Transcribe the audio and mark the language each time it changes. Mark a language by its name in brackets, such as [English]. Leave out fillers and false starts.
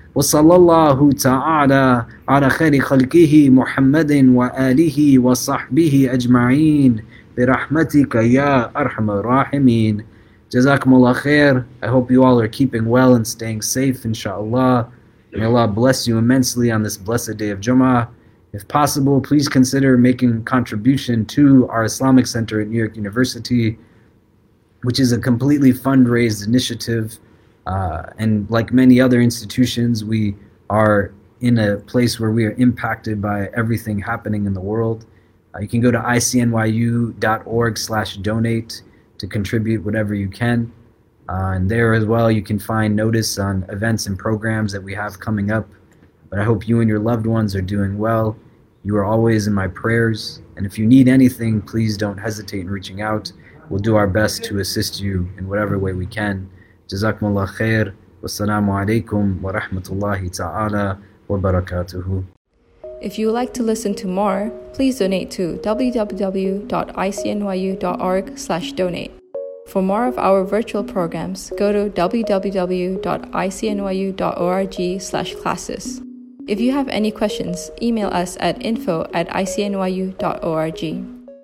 [Arabic] وصلى الله تعالى على خير خلقه محمد وآله وصحبه أجمعين برحمتك يا أرحم الراحمين. جزاكم الله خير. [English] I hope you all are keeping well and staying safe, inshallah. May Allah bless you immensely on this blessed day of Jummah. If possible, please consider making contribution to our Islamic Center at New York University, which is a completely fundraised initiative. And like many other institutions, we are in a place where we are impacted by everything happening in the world. You can go to icnyu.org/donate to contribute whatever you can. And there as well, you can find notice on events and programs that we have coming up. But I hope you and your loved ones are doing well. You are always in my prayers. And if you need anything, please don't hesitate in reaching out. We'll do our best to assist you in whatever way we can. [Arabic] جزاكم الله خير والسلام عليكم ورحمة الله تعالى وبركاته. [English] If you would like to listen to more, please donate to www.icnyu.org/donate. For more of our virtual programs, go to www.icnyu.org/classes. If you have any questions, email us at info@icnyu.org.